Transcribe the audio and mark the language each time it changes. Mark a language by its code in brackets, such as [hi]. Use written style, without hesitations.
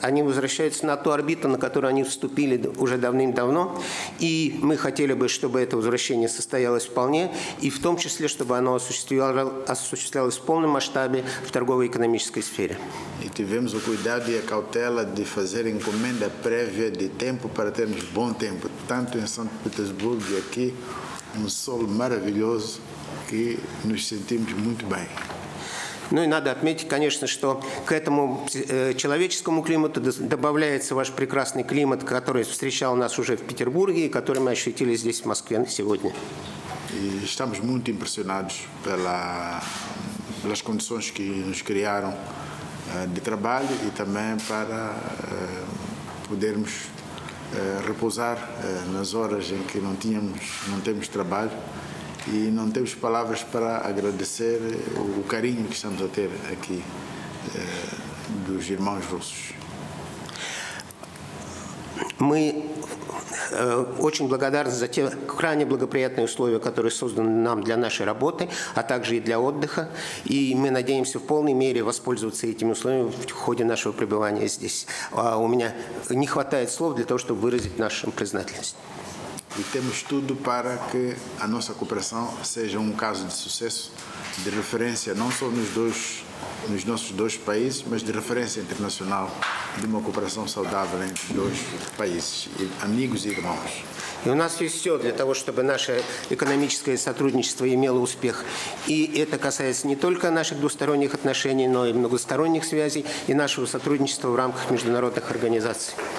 [ru] Они возвращаются на ту орбиту, на которую они вступили уже давным-давно. И мы хотели бы, чтобы это возвращение состоялось вполне, и в том числе, чтобы оно осуществлялось в полном масштабе в торгово-экономической сфере. [pt] И tivemos o cuidado e a cautela de fazer encomenda prévia de tempo para termos bom tempo, tanto em São Petersburgo e aqui, sol maravilhoso que nos sentimos muito bem. [ru] Ну и надо отметить, конечно, что к этому человеческому климату добавляется ваш прекрасный климат, который встречал нас уже в Петербурге и который мы ощутили здесь, в Москве, сегодня. [pt] И estamos muito impressionados pelas condições que nos criaram de trabalho e também para podermos repousar nas horas em que não temos trabalho. [ru] И не имеем слов, чтобы поблагодарить за уважение, которое мы имеем здесь, от братьев русских. Мы очень благодарны за те крайне благоприятные условия, которые созданы нам для нашей работы, а также и для отдыха. И мы надеемся в полной мере воспользоваться этими условиями в ходе нашего пребывания здесь. А у меня не хватает слов для того, чтобы выразить нашу признательность. [pt] E temos tudo para que a nossa cooperação seja caso de sucesso, de referência não só nos nossos dois países, mas de referência internacional de uma cooperação saudável entre dois países, amigos e irmãos. [ru] E у нас есть все для того, чтобы наше экономическое сотрудничество имело успех. И это касается не только наших двусторонних отношений, но и многосторонних связей и нашего сотрудничества в рамках международных организаций.